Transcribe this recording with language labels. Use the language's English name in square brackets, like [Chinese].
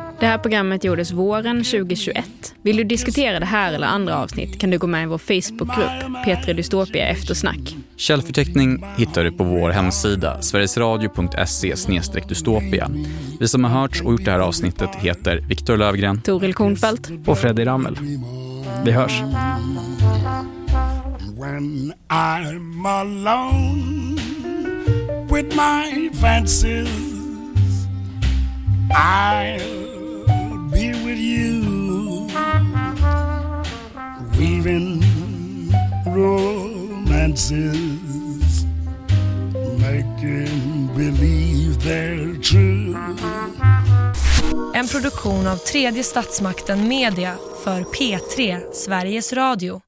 [Swedish] Det här programmet gjordes våren 2021. Vill du diskutera det här eller andra avsnitt kan du gå med i vår Facebookgrupp Petri Dystopia Eftersnack. Källförteckning hittar du på vår hemsida sverigesradio.se/dystopia. Vi som har hört och gjort det här avsnittet heter Viktor Lövgren, Toril Kornfeldt och Freddy Rammel. Vi hörs. [English] When I'm alone with my fancies, be with you, weaving romances, making believe they're true. [Swedish] En produktion av Tredje Statsmakten Media för P3 Sveriges Radio.